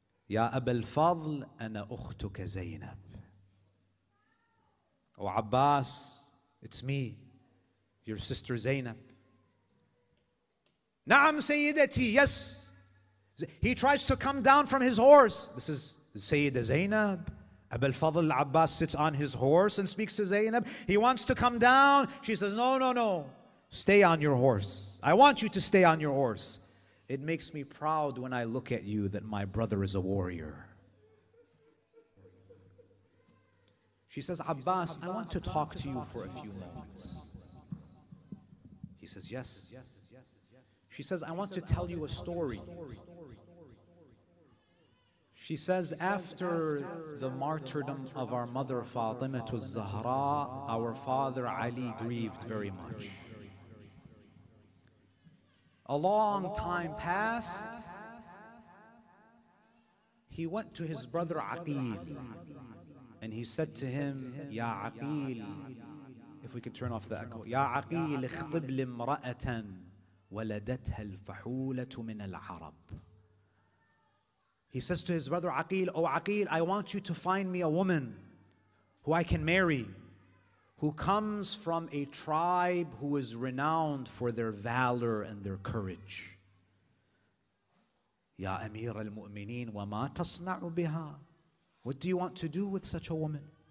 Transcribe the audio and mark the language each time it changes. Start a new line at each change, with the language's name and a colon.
Arabic: يا أبا الفضل أنا أختك زينب. أو عباس,
English: it's me, your sister Zainab.
Arabic: نعم سيدتي,
English: yes. He tries to come down from his horse. This is Sayyida Zainab. Abu al-Fadl al-Abbas sits on his horse and speaks to Zainab. He wants to come down. She says, no, no, no. Stay on your horse. I want you to stay on your horse. It makes me proud when I look at you that my brother is a warrior. She says, Abbas, I want to talk to you for a few moments. He says, yes. She says, I want to tell you a story. She says, after the martyrdom of our mother Fatima al-Zahra, our father Ali grieved very much. A long time passed. He went to his brother Aqil and he said to him, Ya Aqil, if we could turn off the echo.
Arabic: Ya Aqil, اخطب لامرأة ولدتها الفحولة من العرب.
English: He says to his brother Aqil, O Aqil, I want you to find me a woman who I can marry, who comes from a tribe who is renowned for their valor and their courage.
Arabic: Ya Amir al-Mu'mineen, wa ma tasna'u biha?
English: What do you want to do with such a woman?